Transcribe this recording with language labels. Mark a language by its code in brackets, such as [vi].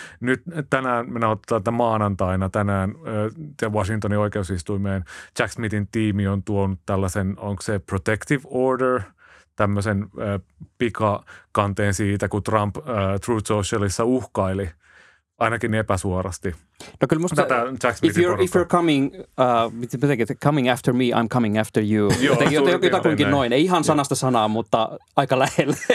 [fi] Nyt tänään, me nauttetaan tätä maanantaina tänään Washingtonin oikeusistuimeen, Jack Smithin tiimi on tuonut tällaisen, onko se protective order – tämmöisen pikakanteen siitä, kun Trump Truth Socialissa uhkaili, ainakin epäsuorasti. No kyllä musta, [en] if you're coming after me, I'm coming after you. [fi] Jotakuinkin noin, ei ihan sanasta sanaa, mutta aika lähelle.